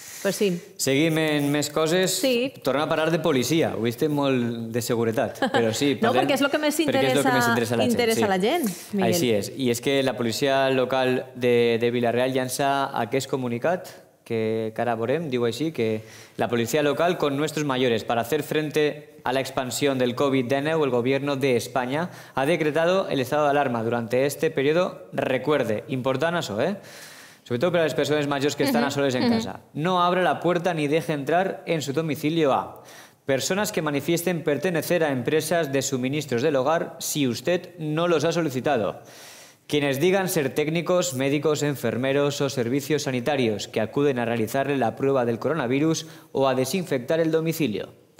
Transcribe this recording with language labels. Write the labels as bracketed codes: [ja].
[ca] Pues sí. Seguim en més coses. Sí. Tornem a parlar de policia. Ho viste molt de seguretat. Però sí, parlem, no, perquè és el que més interessa a la gent. Sí. La gent, així és. I és que la policia local de Vila-real llança aquest comunicat que ara veurem. Diu així que la policia local [es] con nuestros mayores para hacer frente a la expansión del COVID-19, el gobierno de España ha decretado el estado de alarma durante este periodo. Recuerde, [ca] important això, sobretot per a les persones majors que estan a soles en casa. [es] No abra la puerta ni deje entrar en su domicilio a personas que manifiesten pertenecer a empresas de suministros del hogar si usted no los ha solicitado. Quienes digan ser técnicos, médicos, enfermeros o servicios sanitarios que acuden a realizarle la prueba del coronavirus o a desinfectar el domicilio.